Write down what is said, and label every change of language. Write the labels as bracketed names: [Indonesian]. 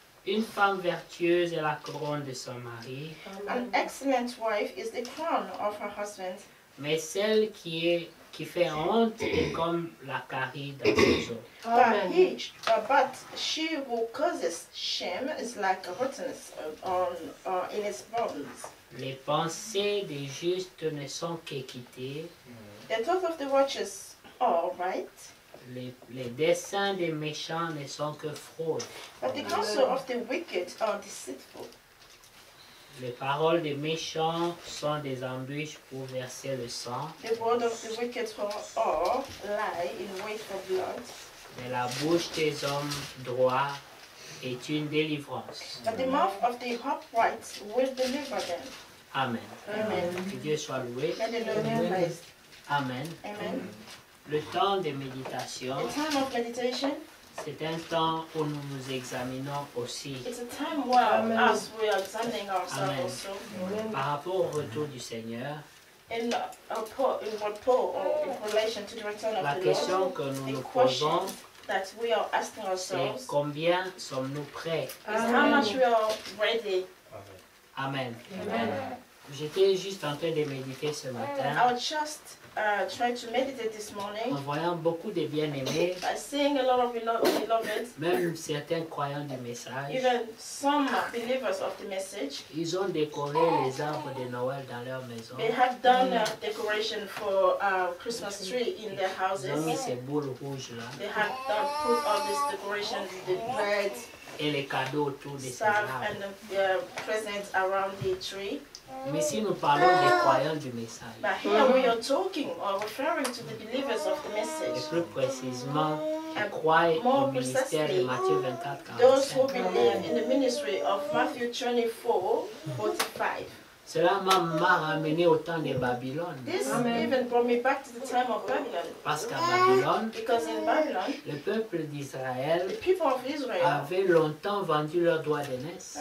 [French] Une femme vertueuse est la couronne de son mari. [English] An excellent wife is the crown of her husband. [French] Mais celle qui fait honte est comme la carie dans ses os. [English] But she who causes shame is like rottenness in his bones. [French] Les pensées des justes ne sont qu'équité. [English] The thoughts of the righteous are right. [French] Les desseins des méchants ne sont que fraude. [English] But the counsel of the wicked are deceitful. [French] Les paroles des méchants sont des embûches pour verser le sang. [English] The words of the wicked are lie in wait for blood. [French] Mais la bouche des hommes droits est une délivrance. [English] But the mouth of the upright will deliver them. Amen. Amen. [French] Que Dieu soit loué. [English] May the Lord be praised. Amen. Amen. [French] Le temps de méditation, [English] the time of meditation, [French] c'est un temps où nous nous examinons aussi. [English] It's a time where Amen. As we are examining ourselves Amen. Also. Amen. [French] Par rapport au retour du Seigneur, [English] in relation to the return of the Lord, [French] la question que nous nous posons, [English] that we are asking ourselves, [French] c'est combien sommes-nous prêts? [English] Amen. How much we are ready? Amen. Amen. Amen. [French] J'étais juste en train de méditer ce matin. [English] I was just trying to meditate this morning. [French] En voyant beaucoup de bien-aimés. [English] By seeing a lot of beloved. [French] Même certains croyants du message. [English] Even some believers of the message. [French] Ils ont décoré les arbres de Noël dans leur maison. [English] They have done a decoration for Christmas tree in their houses. [French] Ils ont mis ces boules rouges là. [English] They have done put all this decoration with the red. [French] Et les cadeaux autour de ces arbres. [English] And the presents around the tree. [French] Mais si nous parlons des croyants du message, [English] but here we are talking or referring to the believers of the message. [French] Et plus précisément, qui croient au ministère de Matthieu 24, [English] Those who believe in the ministry of Matthew 24:45. [French] Cela m'a ramené au temps de Babylone. [English] This even brought me back to the time of Babylon. [French] Parce qu'à Babylone, [English] because in Babylon, [French] le peuple d'Israël, [English] the people of Israel, [French] avait longtemps vendu leur droit d'aînesse.